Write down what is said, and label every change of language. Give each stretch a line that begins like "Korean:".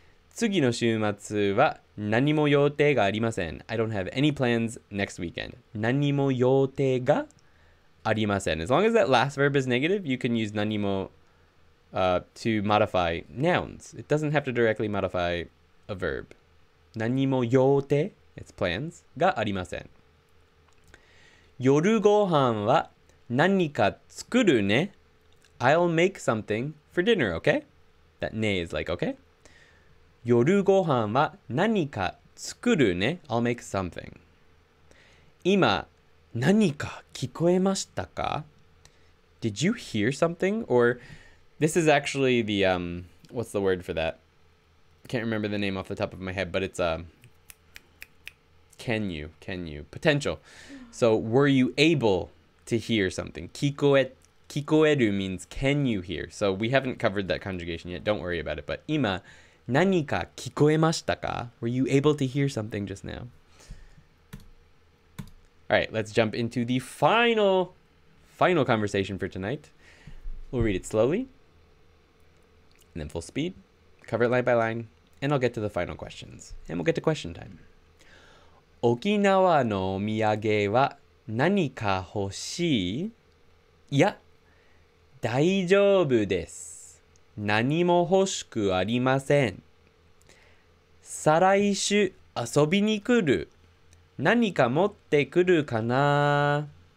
Japanese: 次の週末は何も予定がありません。
English: I don't have any plans next weekend.
Japanese: 何も予定がありません。
English: As long as that last verb is negative, you can use 何も to modify nouns. It doesn't have to directly modify a verb. 何も予定, it's plans,
Japanese: がありません。夜ご飯は何か作るね?
English: I'll make something for dinner, okay? That ne is like, okay? 夜ご飯は何か作るね? I'll make something.
Japanese: 今何か聞こえましたか?
English: Did you hear something? Or this is actually the, what's the word for that? Can't remember the name off the top of my head, but it's a... Can you? Potential. So were you able to hear something? Kikoeru means can you hear? So we haven't covered that conjugation yet. Don't worry about it.
Japanese: But 今何か聞こえましたか?
English: Were you able to hear something just now? All right, let's jump into the final conversation for tonight. We'll read it slowly and then full speed, cover it line by line, and I'll get to the final questions, and we'll get to question time.
Japanese: 沖縄のお土産は何か欲しい? いや、大丈夫です。何も欲しくありません。再来週遊びに来る。何か持ってくるかな?